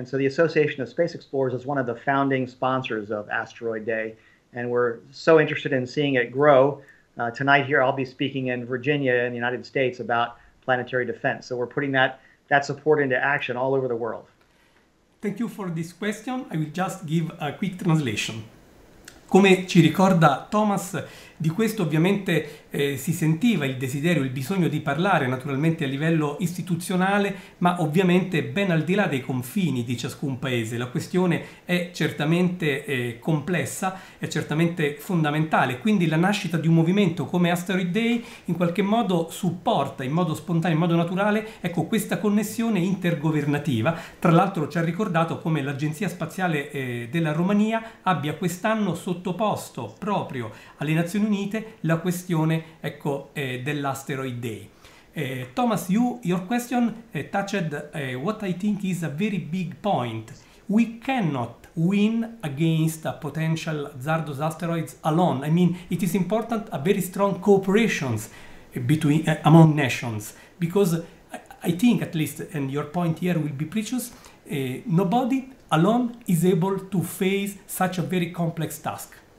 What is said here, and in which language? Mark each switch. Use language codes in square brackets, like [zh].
[en] And so the Association of Space Explorers is one of the founding sponsors of Asteroid Day. And we're so interested in seeing it grow. Tonight here, I'll be speaking in Virginia in the United States about planetary defense. So we're putting that support into action all over the world. Thank you for this question. I will just give a quick translation. [it] Come ci ricorda Thomas, di questo ovviamente si sentiva il desiderio, il bisogno di parlare, naturalmente a livello istituzionale, ma ovviamente ben al di là dei confini di ciascun paese. La questione è certamente complessa, è certamente fondamentale. Quindi la nascita di un movimento come Asteroid Day in qualche modo supporta in modo spontaneo, in modo naturale, ecco, questa connessione intergovernativa. Tra l'altro ci ha ricordato come l'Agenzia Spaziale della Romania abbia quest'anno sottoposto proprio alle Nazioni Unite la questione, ecco, dell'Asteroid Day. [en] Thomas, your question touched what I think is a very big point. We cannot win against a potential hazardous asteroids alone. I mean, it is important a very strong cooperation between among nations, because I think at least, and your point here will be precious, nobody alone is able to face such a very complex task.